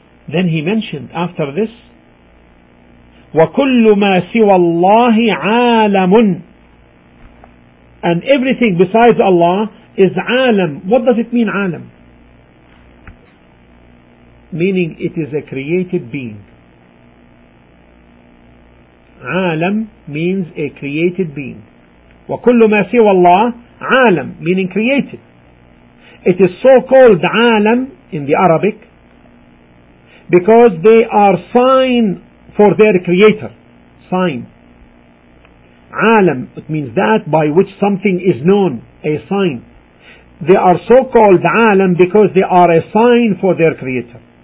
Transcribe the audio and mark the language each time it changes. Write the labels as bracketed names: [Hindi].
[English] Then he mentioned after this, [Arabic] وَكُلُّ مَا سِوَى اللَّهِ عَالَمٌ, [English] and everything besides Allah is عالم. What does it mean, عالم? Meaning it is a created being. عالم means a created being. [Arabic] وَكُلُّ مَا سِوَى اللَّهِ عَالَمٌ, [English] meaning created. It is so called عَالَمٌ in the Arabic because they are sign for their creator. Sign. عَالَمٌ, it means that by which something is known, a sign. They are so called عَالَمٌ because they are a sign for their creator.